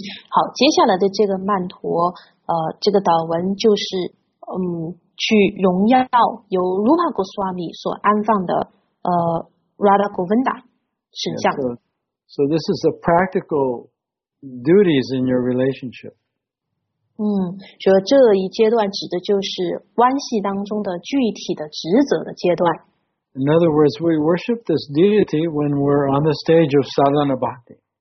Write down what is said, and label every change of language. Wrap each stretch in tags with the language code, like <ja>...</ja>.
<zh>好，接下来的这个曼陀，这个祷文就是去荣耀由 Rupa Goswami 所安放的Radha Govinda 神像。</zh> <en>Yeah, so this is a practical duties in your relationship.</en> <zh>所以这一阶段指的就是关系当中的具体的职责的阶段。</zh> <en>In other words, we worship this deity when we're on the stage of Sadhana Bhakti.</en>